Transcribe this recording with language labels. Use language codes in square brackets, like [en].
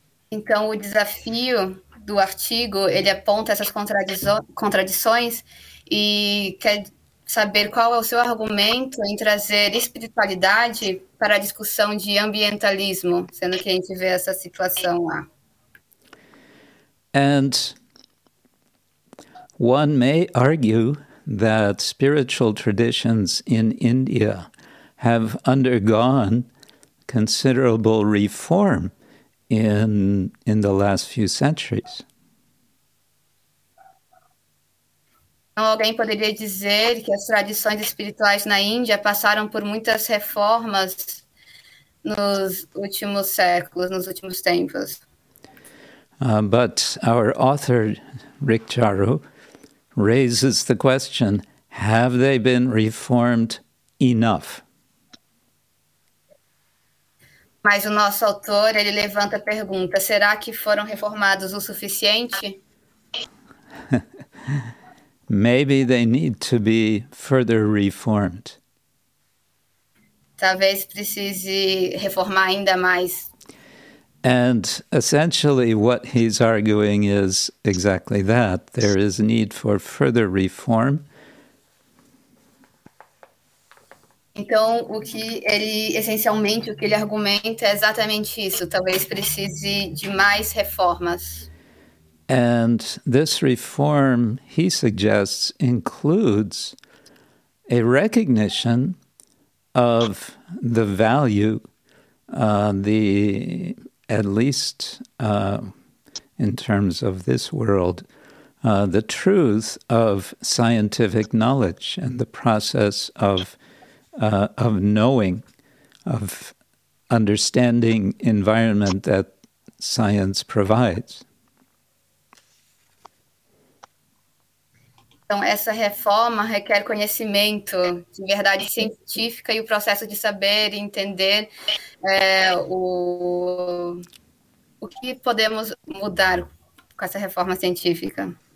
[pt] Então, o desafio do artigo, ele aponta essas contradições e quer saber qual é o seu argumento em trazer espiritualidade para a discussão de ambientalismo, sendo que a gente vê essa situação lá. [en] And one may argue that spiritual traditions in India have undergone considerable reform in the last few centuries. [pt] Alguém poderia dizer que as tradições espirituais na Índia passaram por muitas reformas nos últimos séculos, nos últimos tempos. [en] But our author, Rick Charu, raises the question: have they been reformed enough? [pt] Mas o nosso autor, ele levanta a pergunta: será que foram reformados o suficiente? [en] Maybe they need to be further reformed. [pt] Talvez precise reformar ainda mais. [en] And essentially, what he's arguing is exactly that. There is a need for further reform. [pt] Então, o que ele argumenta é exatamente isso. Talvez precise de mais reformas. [en] And this reform, he suggests, includes a recognition of the value, the at least in terms of this world, the truth of scientific knowledge and the process of knowing, of understanding environment that science provides. [pt] Então, essa reforma requer conhecimento de verdade científica e o processo de saber e entender o que podemos mudar com essa reforma científica.